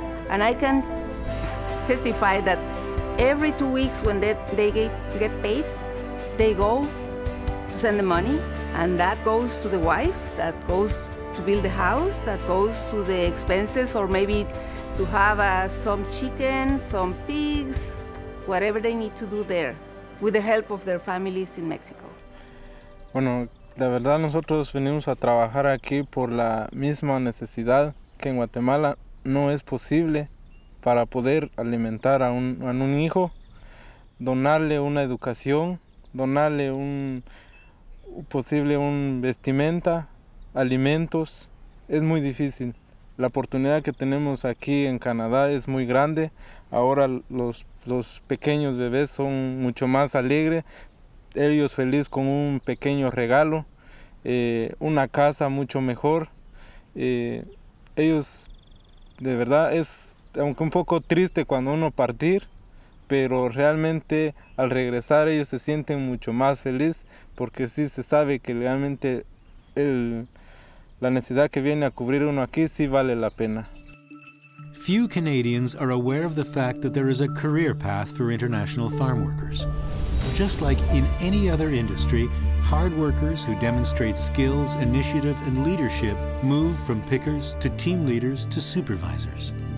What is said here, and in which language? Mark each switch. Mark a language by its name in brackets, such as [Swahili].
[English] And I can testify that every 2 weeks when they get paid, they go to send the money. And that goes to the wife, that goes to build the house, that goes to the expenses, or maybe to have some chicken, some pigs, whatever they need to do there, with the help of their families in Mexico. [Spanish] Bueno, la verdad nosotros venimos a trabajar aquí por la misma necesidad que en Guatemala no es posible para poder alimentar a un hijo, donarle una educación, donarle un posible un vestimenta, alimentos, es muy difícil. La oportunidad que tenemos aquí en Canadá es muy grande. Ahora los pequeños bebés son mucho más alegres. Ellos felices con un pequeño regalo, una casa mucho mejor. Ellos, de verdad, es aunque un poco triste cuando uno partir, pero realmente al regresar ellos se sienten mucho más felices porque sí se sabe que realmente la necesidad que viene a cubrir uno aquí sí vale la pena. [English] Few Canadians are aware of the fact that there is a career path for international farm workers. Just like in any other industry, hard workers who demonstrate skills, initiative, and leadership move from pickers to team leaders to supervisors.